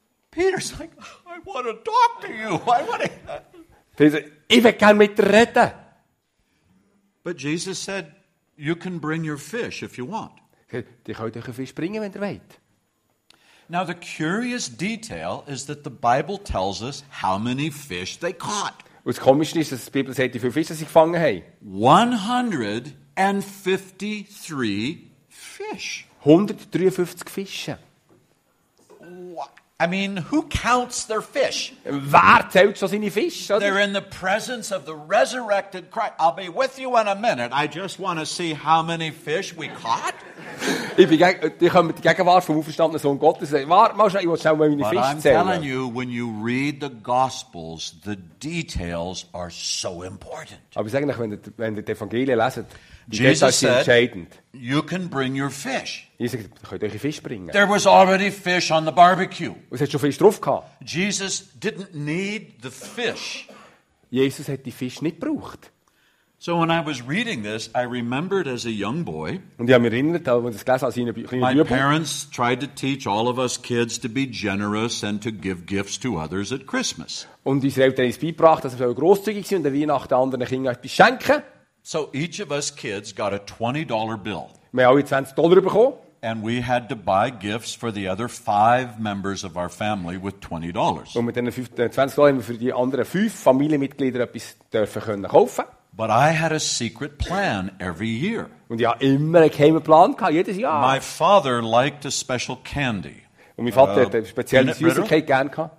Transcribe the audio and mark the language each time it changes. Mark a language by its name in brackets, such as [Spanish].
[English] Peter's like, I want to talk to you. I want to... Peter said, [German] ich will gerne mit dir reden. [English] But Jesus said, you can bring your fish if you want. [German] Die könnt euch Fisch bringen, wenn ihr wollt. [English] Now the curious detail is that the Bible tells us how many fish they caught. [German] Was komisch ist, dass die Bibel sagt, wie viele Fische sie gefangen haben. [English] 153 fish. [German] 153 Fische. [English] I mean, who counts their fish? [German] Wer zählt schon seine Fische? Oder? [English] They're in the presence of the resurrected Christ. I'll be with you in a minute. I just want to see how many fish we caught. [German] Ich bin mit der Gegenwart vom auferstandenen Sohn Gottes. Warte mal schnell, ich will schnell mal meine Fische zählen. [English] But I'm telling you, when you read the Gospels, the details are so important. [German] Aber ich sage euch, wenn ihr die Evangelien lest, Jesus [English] said, you can bring your fish. [German] Jesus, könnt ihr eure Fisch bringen? [English] There was already fish on the barbecue. [German] Es hat schon Fisch drauf gehabt. [English] Jesus didn't need the fish. [German] Jesus hat die Fisch nicht gebraucht. [English] So when I was reading this, I remembered as a young boy, [German] und ich habe mich erinnert, als ich das gelesen habe, als ich ein [English] kleiner parents tried to teach all of us kids to be generous and to give gifts to others at Christmas. [German] Und unsere Eltern haben uns beigebracht, dass wir grosszügig sind und an Weihnachten anderen Kindern etwas schenken. [English] So each of us kids got a $20 bill. [German] Wir haben alle $20 bekommen. [English] And we had to buy gifts for the other 5 members of our family with $20. [German] Und mit den $20 haben wir für die anderen 5 Familienmitglieder etwas dürfen können kaufen. [English] But I had a secret plan every year. [German] Und ja, immer einen geheimen Plan gehabt, jedes Jahr. [English] My father liked a special candy. [German] Und mein Vater hat eine spezielle Süßigkeit gern gehabt.